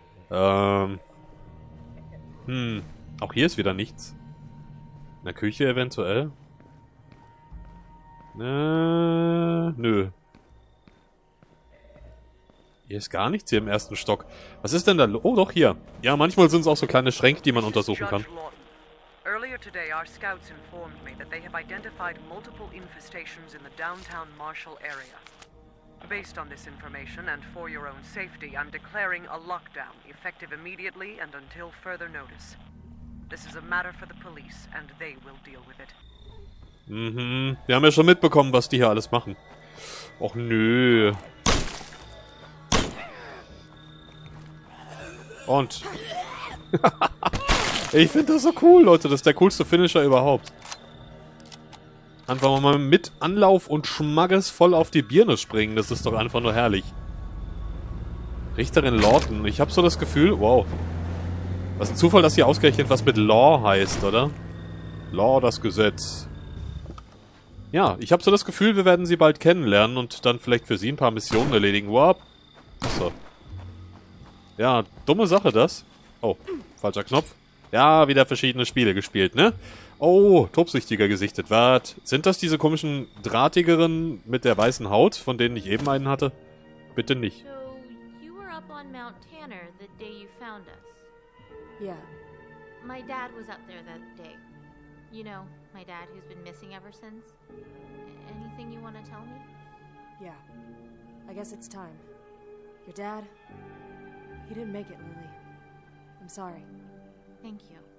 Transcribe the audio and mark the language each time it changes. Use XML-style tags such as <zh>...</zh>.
<de>Auch hier ist wieder nichts. In der Küche eventuell. Nö. Hier ist gar nichts hier im ersten Stock. Was ist denn da? Oh, doch hier. Ja, manchmal sind es auch so kleine Schränke, die man untersuchen kann.</de> <en>Earlier today, our scouts informed me that they have identified multiple infestations in the downtown Marshall area. Based on this information and for your own safety, I'm declaring a lockdown, effective immediately and until further notice. This is a matter for the police and they will deal with it.</en> <de>Mhm, wir haben ja schon mitbekommen, was die hier alles machen. Och nö. Und ich finde das so cool, Leute, das ist der coolste Finisher überhaupt. Einfach mal mit Anlauf und Schmackes voll auf die Birne springen. Das ist doch einfach nur herrlich. Richterin Lawton. Ich habe so das Gefühl... Wow. Was ein Zufall, dass hier ausgerechnet was mit Law heißt, oder? Law, das Gesetz. Ja, ich habe so das Gefühl, wir werden sie bald kennenlernen und dann vielleicht für sie ein paar Missionen erledigen. Wow. Achso. Ja, dumme Sache das. Oh, falscher Knopf. Ja, wieder verschiedene Spiele gespielt, ne? Oh, tobsüchtiger gesichtet. Wart, sind das diese komischen Drahtigeren mit der weißen Haut, von denen ich eben einen hatte? Bitte nicht.</de> <en>So, you were up on Mount Tanner the day you found us. Yeah. My dad was up there that day. You know, my dad who's been missing ever since. Anything you want to tell me? Yeah. I guess it's time. Your dad? He didn't make it, Lily. I'm sorry. Thank you.</en>